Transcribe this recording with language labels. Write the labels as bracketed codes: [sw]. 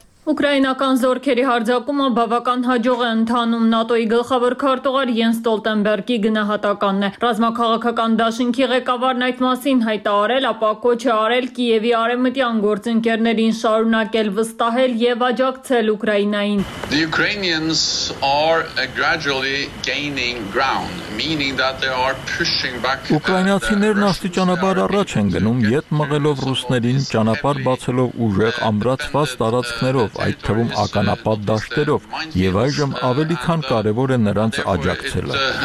[hy] Ուկրաինական զորքերի հարձակումը բավական հաջող է ընթանում, ՆԱՏՕ-ի գլխավոր քարտուղար Յենս Ստոլտենբերգի գնահատականն է։ Ռազմաքաղաքական դաշինքի ղեկավարն այդ մասին հայտարարել, ապա կոչ է արել Կիևի արևմտյան գործընկերներին շարունակել վստահել եւ աջակցել Ուկրաինային։ [en] The Ukrainians are gradually gaining ground, meaning that they are pushing back. [hy] Ուկրաինացիներն աստիճանաբար առաջ են գնում, ետ մղելով ռուսներին, ճանապարհ բացելով ուժեղ ամրացված տարածքներ, այդ թվում ականապատ դաշտերով, և այժմ ավելի քան կարևոր է նրանց աջակցելը։